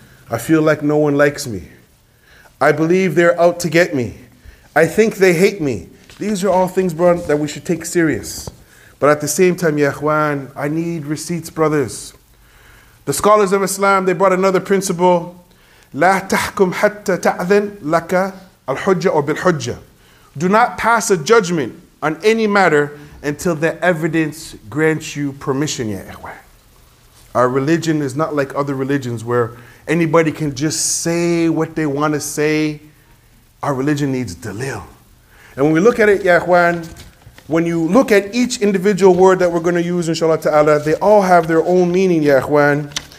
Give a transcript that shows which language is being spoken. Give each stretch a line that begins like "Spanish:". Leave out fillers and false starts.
English: I feel like no one likes me. I believe they're out to get me. I think they hate me. These are all things, bro, that we should take serious. But at the same time, ya ikhwan, I need receipts, brothers. The scholars of Islam, they brought another principle.
Arabic: لا تحكم حتى تأذن لك الحجة أو بالحجة.
English: Do not pass a judgment on any matter until the evidence grants you permission, ya ikhwan. Our religion is not like other religions where anybody can just say what they want to say. Our religion needs dalil. And when we look at it, ya ikhwan, when you look at each individual word that we're going to use, inshallah ta'ala, they all have their own meaning, ya ikhwan.